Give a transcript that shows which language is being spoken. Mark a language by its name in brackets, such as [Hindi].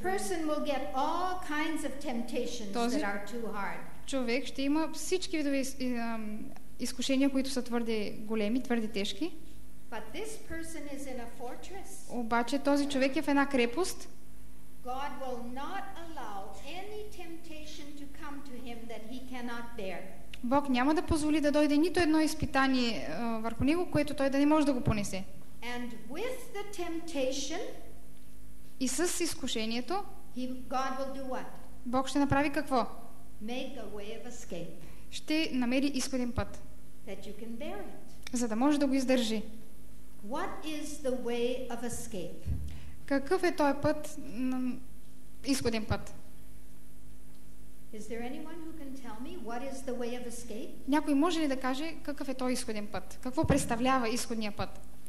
[English] This person will get all kinds of temptations that are too hard. [Bulgarian] Човек ще има всички видове изкушения, които са твърде големи, твърде тежки. [English] But this person is in a fortress. [Bulgarian] Обаче този човек е в една крепост. [English] God will not allow any temptation to come to him that he cannot bear. [Bulgarian] Бог няма да позволи да дойде нито едно изпитание върху него, което той да не може да го понесе. [English] And with the temptation, [Bulgarian] и с изкушението, [English] God will do what? [Bulgarian] Бог ще направи какво? [English] Make a way of escape. [Bulgarian] Ще намери изходен път, [English] that you can bear it. [Bulgarian] За да може да го издържи. [English] What is the way of escape? [Bulgarian] Какъв е този път, изходен път? [English] Is there anyone who can tell me what is the way of escape? [Bulgarian] Някой може ли да каже какъв е този изходен път? Какво представлява изходния път?